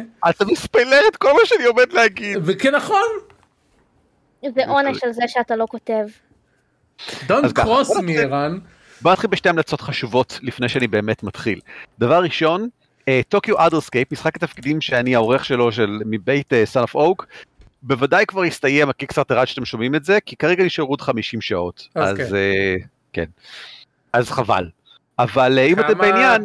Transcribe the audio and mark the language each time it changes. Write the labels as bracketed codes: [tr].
[he] אתה מספיילר את כל מה שאני עומד להגיד. וכן, נכון. זה עונש על זה שאתה לא כותב. [en] Don't cross me, ערן. [he] בוא נתחיל בשתי המלצות חשובות לפני שאני באמת מתחיל. דבר ראשון, טוקיו אדרסקייפ, משחק התפקידים שאני העורך שלו של מבית סן אוף אוק, בוודאי כבר הסתיים הקיקסטארטר עד שאתם שומעים את זה, כי כרגע נשארו עוד 50 שעות. אז כן. אז חבל. אבל אם אתם בעניין...